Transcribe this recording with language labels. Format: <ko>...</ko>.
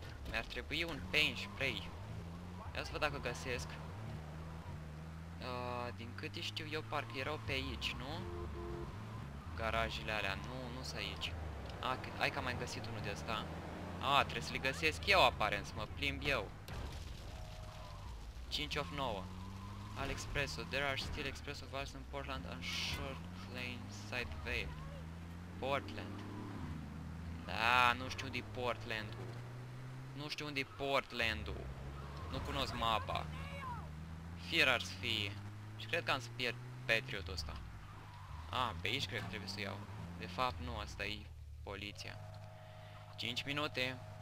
<ro>Mi-ar trebui un paint spray. Ia să văd dacă găsesc. Din câte știu eu, parcă erau pe aici, nu? Garajele alea, nu, nu sunt aici. Hai că am mai găsit unul de ăsta. A, trebuie să-l găsesc eu, aparent, să mă plimb eu.</ro> <en>5 of 9. Al Expresso. There are still Expresso vials in Portland and Short Lane Side Vale. Portland.</en> <ro>Da, nu știu unde-i Portland-ul. Nu știu unde-i Portland-ul. Nu cunosc mapa. Fier ar fi. Și cred că am să pierd Patriot-ul ăsta. A, pe aici cred că trebuie să iau. De fapt, nu, asta-i poliția. 5 minute.</ro>